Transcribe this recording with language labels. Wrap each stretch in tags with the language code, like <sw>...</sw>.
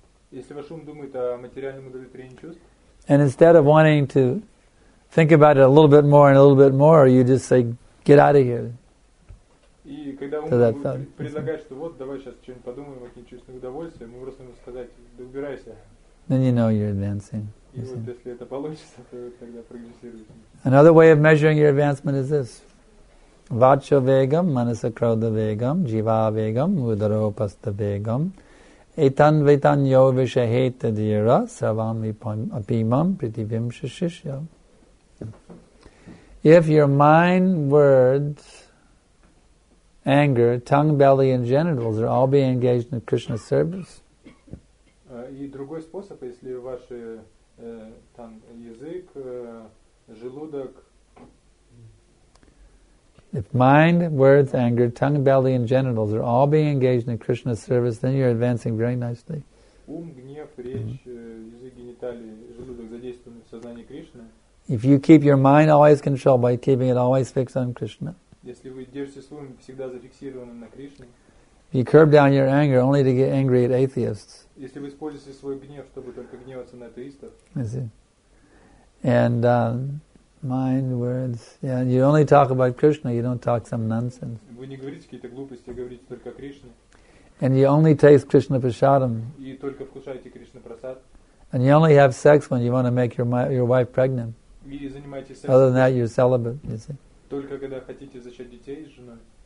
<ru>если ваш ум думает о материальном удовлетворении чувств,</ru> <en>and instead of wanting to think about it a little bit more and a little bit more, you just say, get out of here.</en> <ru>И когда ум будет предлагать, что вот давай сейчас что-нибудь подумаем о каких-то чувствах удовольствия, мы просто можем сказать, да убирайся.</ru> <en>Then you know you're advancing.</en> <ru>И вот если это получится, то тогда прогрессируете.</ru> <en>Another way of measuring your advancement is this.</en> <sa>Vacho vegam, manasa krodha vegam, jiva vegam, udara upastha vegam, etan vitanyo vishaheta dhira, sarvam apimam, pritivim shishishya.</sa> <en>If your mind, words, anger, tongue, belly, and genitals are all being engaged in Krishna's service.</en> <ru>И другой способ, если ваши там язык, желудок.</ru> <en>If mind, words, anger, tongue, belly, and genitals are all being engaged in Krishna's service, then you're advancing very nicely.</en> <ru>Ум, гнев, речь, язык, гениталии, желудок задействованы в сознании Кришны.</ru> <en>If you keep your mind always controlled by keeping it always fixed on Krishna.</en> <ru>Если вы держите свой ум всегда зафиксированным на Кришне.</ru> <en>You curb down your anger only to get angry at atheists.</en> <ru>Если вы используете свой гнев, чтобы только гневаться на атеистов.</ru> <en>I see. And mind, words, yeah, you only talk about Krishna, you don't talk some nonsense.</en> <ru>Вы не говорите какие-то глупости, говорите только о Кришне.</ru> <en>And you only taste Krishna prasadam.</en> <ru>И только вкушаете Кришна прасад.</ru> <en>And you only have sex when you want to make your wife pregnant.</en> <ru>И занимаетесь сексом.</ru> <en>Other than that, you're celibate, you see.</en> <ru>Только когда хотите зачать детей с женой.</ru>